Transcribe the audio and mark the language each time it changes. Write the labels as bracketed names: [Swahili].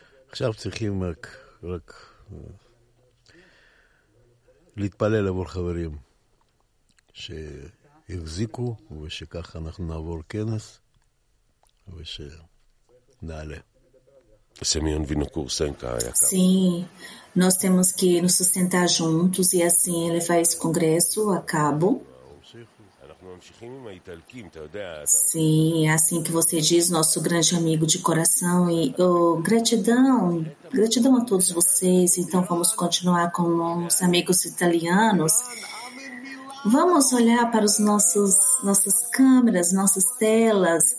[Hebrew] עכשיו צריכים רק להתפלל עבור חברים ש... החזיקו, ושככה אנחנו נעבור כנס, ושנעלה. סמיון וינוקור סנקה היה כאן. [Portuguese] Sim, nós temos que nos sustentar juntos e assim levar esse congresso a cabo. [Hebrew] אנחנו ממשיכים עם האיטלקים, אתה יודע. [Portuguese] Sim, assim que você diz, nosso grande amigo de coração e gratidão a todos vocês. Então vamos continuar com os amigos italianos. Vamos olhar para os nossas câmeras, nossas telas.